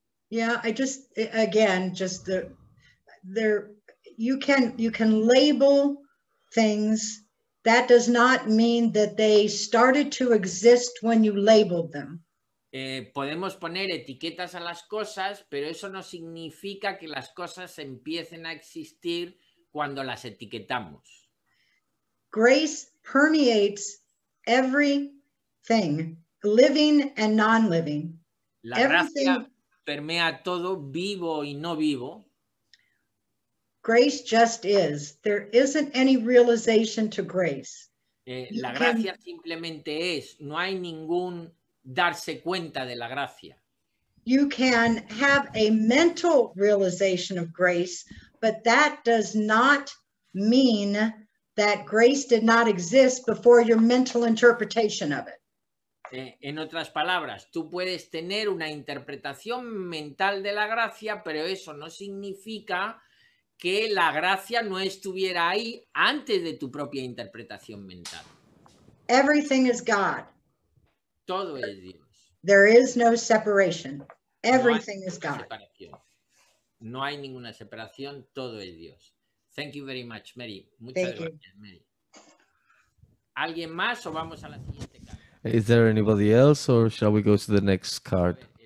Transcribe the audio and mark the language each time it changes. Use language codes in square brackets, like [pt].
[en] Yeah, I just, again, just you can label things. That does not mean that they started to exist when you labeled them. [es] Podemos poner etiquetas a las cosas, pero eso no significa que las cosas empiecen a existir cuando las etiquetamos. [en] Grace permeates everything, living and non-living. [es] La gracia permea todo, vivo y no vivo. [en] Grace just is. There isn't any realization to grace. [es] La gracia simplemente es. No hay ningún darse cuenta de la gracia. [en] You can have a mental realization of grace, but that does not mean that grace did not exist before your mental interpretation of it. [es] En otras palabras, tú puedes tener una interpretación mental de la gracia, pero eso no significa que la gracia no estuviera ahí antes de tu propia interpretación mental. [en] Everything is God. [es] Todo es Dios. [en] There is no separation. Everything is God. Separación. [es] No hay ninguna separación. Todo es Dios. [en] Thank you very much, Mary. [es] Muchas Thank gracias, you. Mary. ¿Alguien más o vamos a la siguiente carta? [en] Is there anybody else or shall we go to the next card?